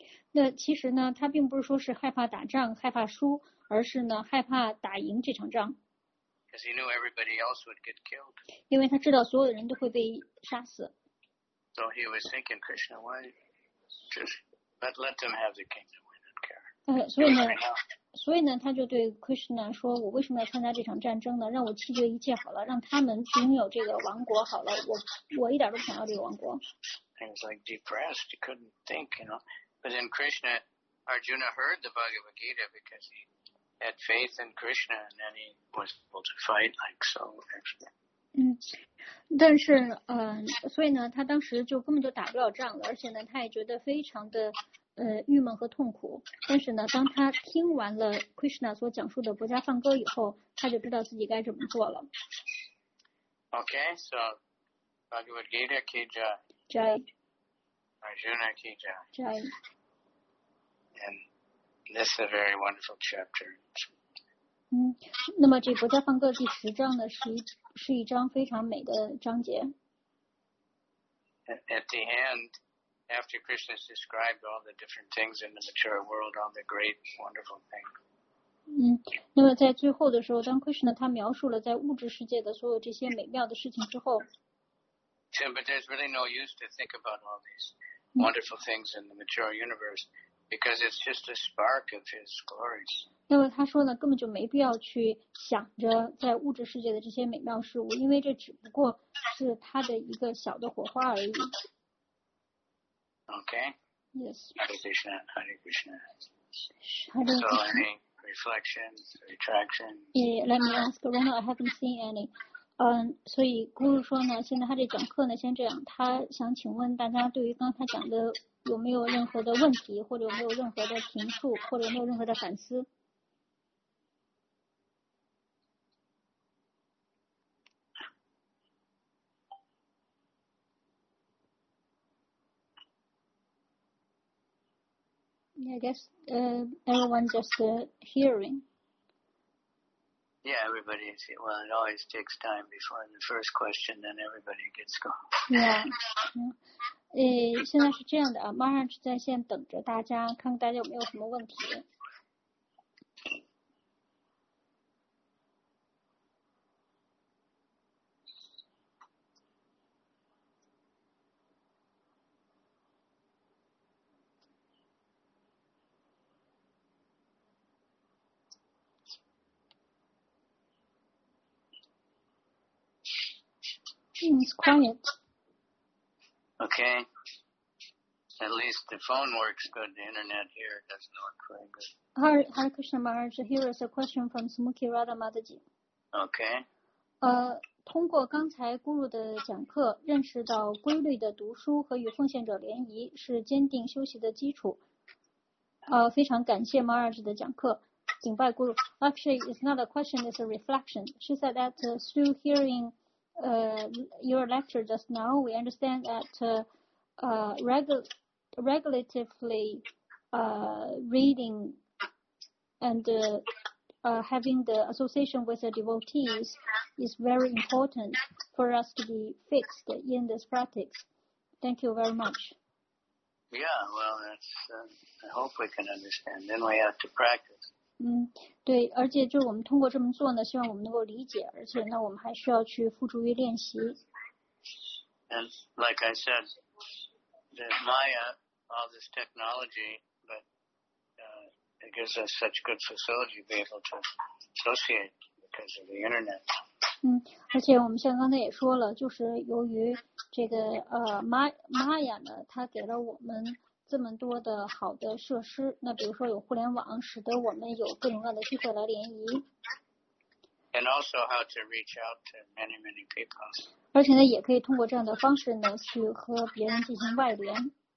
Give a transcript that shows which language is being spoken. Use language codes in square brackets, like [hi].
[zh] 那其实呢，他并不是说是害怕打仗、害怕输，而是呢害怕打赢这场仗。 [en] Because he knew everybody else would get killed. [zh] 因为他知道所有的人都会被杀死。 [en] So he was thinking, Krishna, why just let them have the kingdom? We don't care. [zh] 所以呢，他就对 Krishna 说：“我为什么要参加这场战争呢？让我弃绝一切好了，让他们拥有这个王国好了。我一点都不想要这个王国。” [en] He was like depressed. He couldn't think, you know. But then Krishna, Arjuna heard the Bhagavad Gita because he had faith in Krishna, and then he was able to fight like so. [zh] 但是所以呢，他当时就根本就打不了仗了，而且呢，他也觉得非常的。郁闷和痛苦，但是呢，当他听完了 Krishna 所讲述的《薄伽梵歌》以后，他就知道自己该怎么做了。 [en] Okay, so Bhagavad Gita ki [hi] jai. Jai. Arjuna ki jai. Jai. [en] And this is a very wonderful chapter. [zh] 那么这《薄伽梵歌》第十章呢，是一章非常美的章节。 [en] At the end. After Krishna has described all the different things in the mature world, all the great, wonderful things. [zh] 那么在最后的时候，当 Krishna 他描述了在物质世界的所有这些美妙的事情之后。 [en] So, but there's really no use to think about all these wonderful things in the mature universe because it's just a spark of his glories. [zh] 那么他说呢，根本就没必要去想着在物质世界的这些美妙事物，因为这只不过是他的一个小的火花而已。 [en] Okay. Yes. [sa] Hare Krishna. Hare Krishna. Hare Krishna. [en] So, any reflections, retractions? Yeah. Let me ask. Right now, I haven't seen any. [zh] 所以 Guru 说呢，现在他这讲课呢，先这样。他想请问大家，对于刚才讲的，有没有任何的问题，或者有没有任何的评述，或者有没有任何的反思？ [en] I guess everyone just hearing. Yeah, everybody is. Well, it always takes time before the first question, then everybody gets going. Yeah. [zh] 现在是这样的啊，马上在线等着大家，看看大家有没有什么问题。 [en] It's quiet. Okay. At least the phone works good. The internet here doesn't work very good. Hare Krishna Maharaj, here is a question from Smukhi Radha Mataji. Okay. [zh] 通过刚才 Guru 的讲课，认识到规律的读书和与奉献者联谊是坚定修习的基础。非常感谢 Maharaj 的讲课。顶拜 Guru. [en] Actually, it's not a question, it's a reflection. She said that through hearing... your lecture just now, we understand that regulatively reading and having the association with the devotees is very important for us to be fixed in this practice. Thank you very much. Yeah, well, that's, I hope we can understand. Then we have to practice. [zh] 对，而且就我们通过这么做呢，希望我们能够理解，而且呢，我们还需要去付诸于练习。 [en] And like I said, there's Maya, all this technology, but it gives us such good facility to be able to associate because of the internet. [zh] 而且我们像刚才也说了，就是由于这个Maya 呢，它给了我们这么多的好的设施，那比如说有互联网，使得我们有各种各样的机会来联谊。 [en] And also how to reach out to many, many people. [zh] 而且呢，也可以通过这样的方式呢，去和别人进行外联。